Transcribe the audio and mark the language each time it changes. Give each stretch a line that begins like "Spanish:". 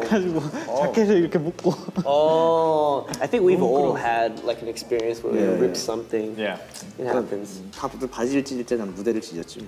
Korean: 가지고 자켓을 이렇게 묶고.
English: Oh, I think we've all had like an experience where we ripped something. Yeah. It happens.
Korean: 다들 바지를 찢을 때 난 무대를 찢었지.